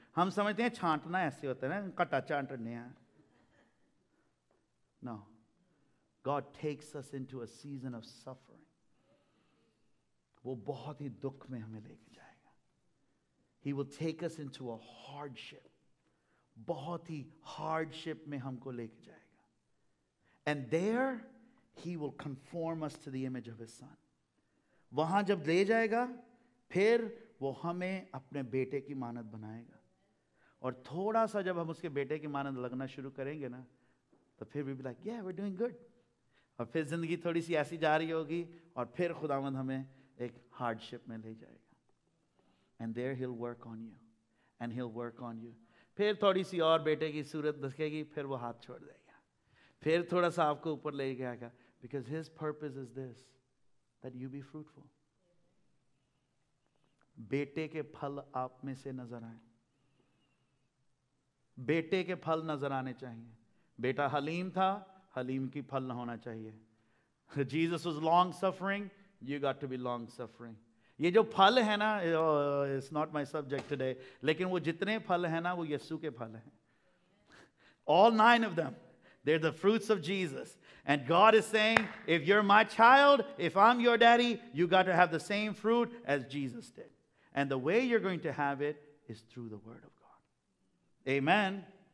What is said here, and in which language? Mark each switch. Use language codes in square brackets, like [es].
[hi] हम समझते हैं छांटना ऐसे होता है ना, कटा छांटने हैं. [en] No, God takes us into a season of suffering. [hi] वो बहुत ही दुख में हमें लेके जाएगा. [en] He will take us into a hardship. [hi] बहुत ही hardship में हमको लेके जाएगा. [en] And there, He will conform us to the image of His Son. [hi] वहां जब ले जाएगा, फिर वो हमें अपने बेटे की मानत बनाएगा. और थोड़ा सा जब हम उसके बेटे की मानद लगना शुरू करेंगे ना, तो फिर [en] We be like yeah we are doing good. [hi] और फिर जिंदगी थोड़ी सी ऐसी जा रही होगी और फिर खुदावंद हमें एक हार्डशिप में ले जाएगा. [en] and there he will work on you [hi] and he will work on you. फिर थोड़ी सी और बेटे की सूरत दिखेगी, फिर वो हाथ छोड़ देगा, फिर थोड़ा सा आपको ऊपर ले जाएगा. [en] Because his purpose is this that you be fruitful. [hi] बेटे के फल आप में से नजर आए. बेटे के फल नजर आने चाहिए. बेटा हलीम था, हलीम की फल ना होना चाहिए. [en] Jesus was long suffering, you got to be long suffering. [hi] ये जो फल है ना, [en] it's not my subject today. [hi] लेकिन वो जितने फल है ना, वो यीशु के फल हैं. [en] All nine of them, they're the fruits of Jesus. And God is saying, if you're my child, if I'm your daddy, you got to have the same fruit as Jesus did. And the way you're going to have it is through the word of God. Amen.